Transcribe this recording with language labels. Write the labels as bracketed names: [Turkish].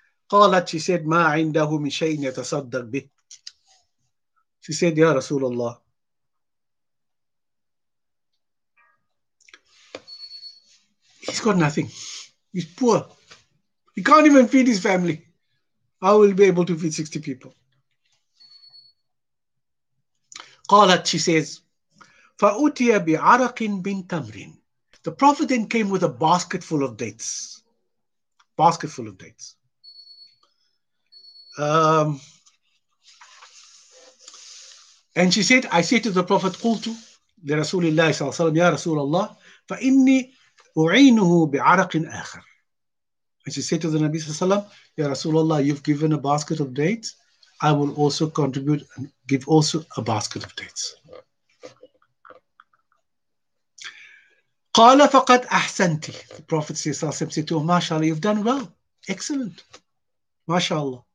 [Arabic] قَالَتْ, [English] she said, [Arabic] مَا عِنْدَهُ مِنْ شَيْءٍ يَتَصَدَّقْ بِهِ. [English] She said, ya Rasulullah, he's got nothing. He's poor. He can't even feed his family. How will he be able to feed 60 people? [Arabic] قالت, [English] she says, [Arabic] فَأُتِيَ بِعَرَقٍ بِنْ تَمْرٍ. [English] The Prophet then came with a basket full of dates. Basket full of dates. And she said, I said to the Prophet, [Arabic] قُلْتُ لِرَسُولِ اللَّهِ صَلَى اللَّهِ وَسَلَمْ يَا رَسُولَ اللَّهِ فَإِنِّي أُعِينُهُ بِعَرَقٍ آخَرٍ. [English] And she said to the Nabi Sallallahu Alaihi Wasallam, ya Rasulullah, you've given a basket of dates. I will also contribute and give also a basket of dates. [Arabic] قَالَ فَقَدْ أَحْسَنْتِ. [English] The Prophet Sallallahu Alaihi Wasallam said to him, mashallah, you've done well. Excellent. Mashallah.